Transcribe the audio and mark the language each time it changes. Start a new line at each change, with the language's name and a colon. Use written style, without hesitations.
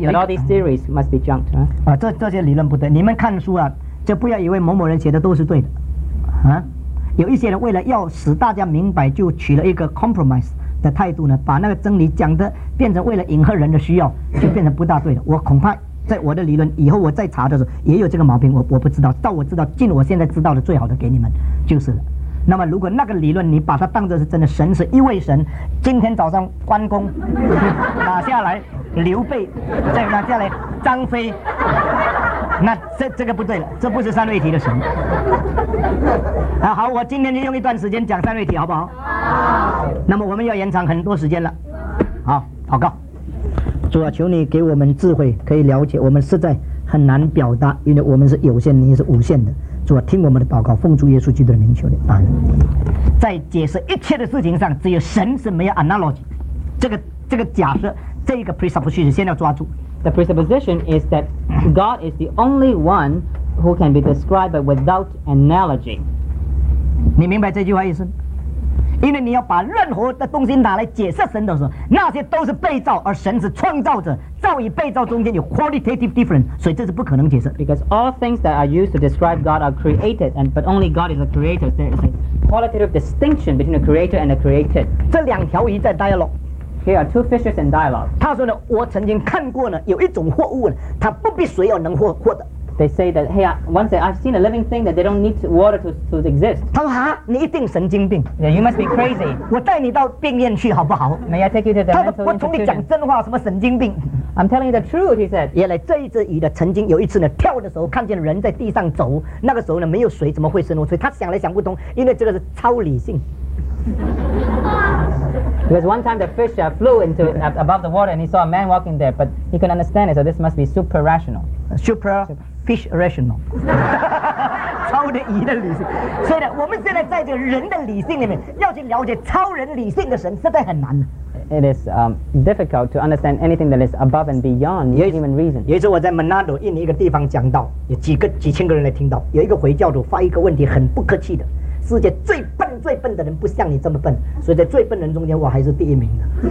English: But all these theories must be junked, huh?
Chinese: 这些理论不对，你们看书啊，就不要以为某某人写的都是对的，有一些人为了要使大家明白，就取了一个 compromise 的态度呢，把那个真理讲的变成为了迎合人的需要，就变成不大对了。我恐怕在我的理论以后，我再查的时候也有这个毛病。我不知道，到我知道，尽我现在知道的最好的给你们就是了。那么如果那个理论你把它当作是真的，神是一位神，今天早上关公打下来刘备，再打下来张飞，那这个不对了，这不是三位一体的神。好，我今天就用一段时间讲三位一体，好不好？那么我们要延长很多时间了。好，祷告。主啊，求你给我们智慧，可以了解我们实在很难表达，因为我们是有限，你是无限的。主啊，听我们的祷告，奉主耶稣基督的名求你。在解释一切的事情上，只有神是没有 analogy。这个假设，这个 presupposition 先要抓住。
English: The presupposition is that God is the only one who can be described without analogy.
Chinese: 你明白这句话意思？因为你要把任何的东西拿来解释神的时候，那些都是被造，而神是创造者。造与被造中间有
English: qualitative difference，
Chinese: 所以这是不可能解释。
English: Because all things that are used to describe God are created, and but only God is a creator. There is a qualitative distinction between the creator and the created.
Chinese: 这两条鱼在 dialogue。
English: Here are two fishes in dialogue.
Chinese: 他说呢，我曾经看过呢，有一种货物呢，它不必水而能获得。
English: They say that, hey, once I've seen a living thing that they don't need water to exist.
Chinese: 他说哈，你一定神经病。
English: Yeah, you must be crazy.
Chinese: 我带你到病院去好不好？
English: May I take you to the mental institution?
Chinese: 他说我从你讲真话，什么神经病？
English: I'm telling you the truth, he said.
Chinese: 原来这一只鱼的曾经有一次呢，跳的时候看见人在地上走，那个时候呢没有水，怎么会生活？所以他想来想不通，因为这个是超理性。
English: Because one time the fish flew into above the water and he saw a man walking there, but he couldn't understand it, so this must be super rational. Super fish rational.
Chinese: 超的鱼的理性。所以呢，我们现在在这个人的理性里面，要去了解超人理性的神，实在很难。
English: It is difficult to understand anything that is above and beyond human reason.
Chinese: 有一次我在 Manado 印尼一个地方讲道，有几千个人来听到，有一个回教徒发一个问题，很不客气的。世界最笨最笨的人不像你这么笨，所以在最笨人中间我还是第一名的。